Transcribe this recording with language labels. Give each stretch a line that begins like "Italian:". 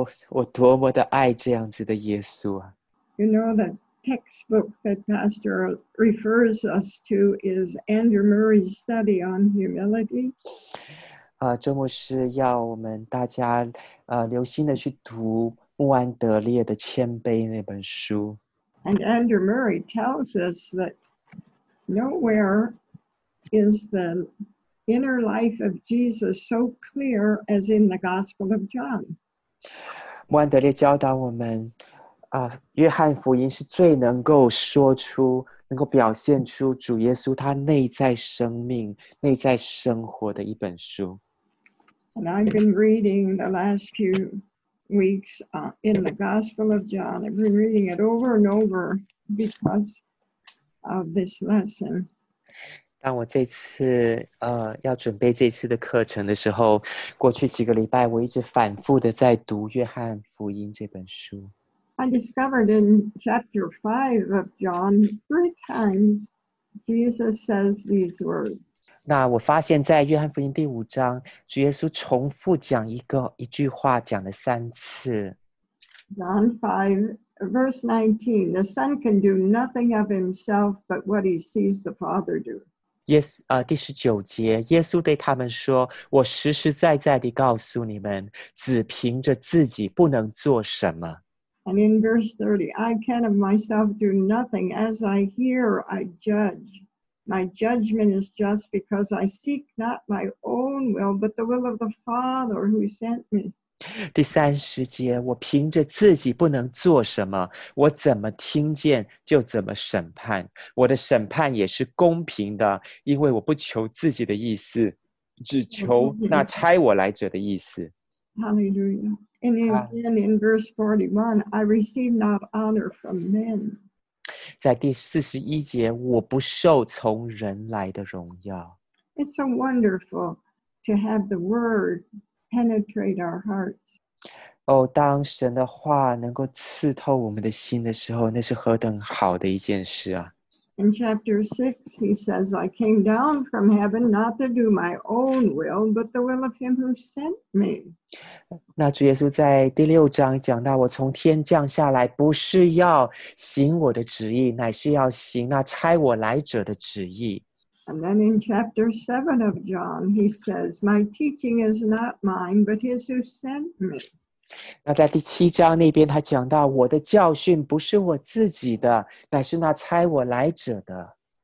Chinese: 我多么的爱这样子的耶稣啊。
English: You know that textbook that Pastor refers us to is Andrew Murray's study on humility.
Chinese: 周牧师要我们大家留心的去读穆安德烈的谦卑那本书。
English: And Andrew Murray tells us that nowhere is the inner life of Jesus so clear as in the Gospel of John.
Chinese: 穆安德烈教导我们约翰福音是最能够说出能够表现出主耶稣他内在生命、内在生活的一本书。
English: And I've been reading the last few weeks in the Gospel of John. I've been reading it over and over because of this lesson.
Chinese: 当我这次要准备这次的课程的时候，过去几个礼拜我一直反复的在读《约翰福音》这本书。
English: I discovered in chapter 5 of John, 3 times Jesus says these words.
Chinese: 那我发现在约翰福音第五章，主耶稣重复讲一句话，讲了三次。
English: John 5, verse 19, the Son can do nothing of himself but what he sees the Father do.
Chinese: 第十九节，耶稣对他们说，我实实在在地告诉你们，只凭着自己不能做什么。
English: And in verse 30, I can of myself do nothing. As I hear, I judge. My judgment is just because I seek not my own will, but the will of the Father who sent me.
Chinese: 第三十节，我凭着自己不能做什么，我怎么听见就怎么审判。我的审判也是公平的，因为我不求自己的意思，只求那差我来者的意思。
English: Hallelujah. And again, in verse 41, I receive not honor from men.
Chinese: 在第四十一节，我不受从人来的荣耀。
English: It's so wonderful to have the word penetrate our hearts.
Chinese: 当神的话能够刺透我们的心的时候，那是何等好的一件事啊。
English: In chapter 6, he says, I came down from heaven not to do my own will, but the will of him who sent me.
Chinese: 那主耶稣在第六章讲到，我从天降下来，不是要行我的旨意，乃是要行那差我来者的旨意。
English: And then in chapter 7 of John, he says, my teaching is not mine, but his who sent me.
Chinese: 那在第七章那边他讲到，我的教训不是我自己的，乃是那差我来者的。